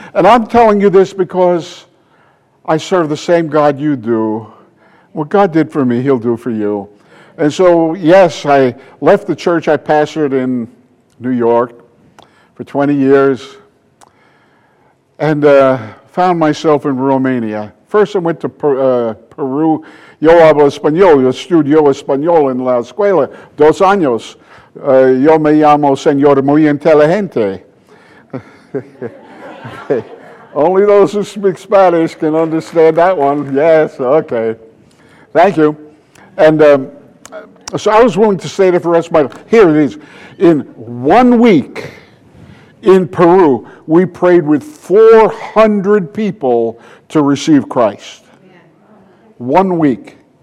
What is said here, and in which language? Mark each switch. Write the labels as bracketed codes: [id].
[en] And I'm telling you this because I serve the same God you do. What God did for me, he'll do for you. And so, yes, I left the church I pastored in New York for 20 years and found myself in Romania. First, I went to Peru. [es] Yo hablo español. Yo estudio español en la escuela. 2 años. Yo me llamo señor muy inteligente. [en] Only those who speak Spanish can understand that one. Yes, okay. Thank you. And so I was willing to stay there for the rest of my life. Here it is. In 1 week in Peru, we prayed with 400 people to receive Christ. 1 week.